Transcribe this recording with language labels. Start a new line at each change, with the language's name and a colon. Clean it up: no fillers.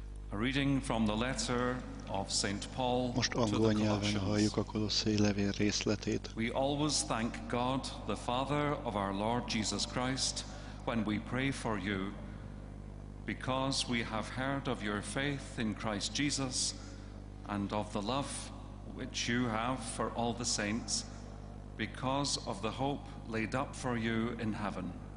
English: Reading from the letter of Saint Paul to the Colossians.
Hungarian: Halljuk a Kolosszai levél részletét.
English: We always thank God, the Father of our Lord Jesus Christ, when we pray for you, because we have heard of your faith in Christ Jesus and of the love which you have for all the saints, because of the hope laid up for you in heaven.